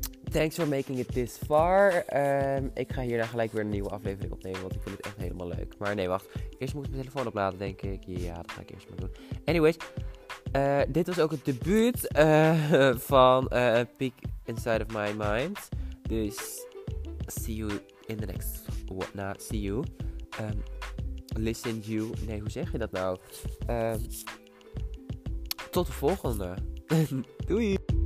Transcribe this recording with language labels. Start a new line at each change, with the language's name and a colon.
English: Thanks for making it this far.
Dutch: Ik ga hierna gelijk weer een nieuwe aflevering opnemen, want ik vind het echt helemaal leuk. Maar nee, wacht. Eerst moet ik mijn telefoon opladen, denk ik. Ja, dat ga ik eerst maar doen. Anyways, dit was ook het debuut van A Peek Inside of My Mind.
English: Dus, see you in the next one. Nah, see you. Listen you.
Dutch: Nee, hoe zeg je dat nou? Tot de volgende. Doei!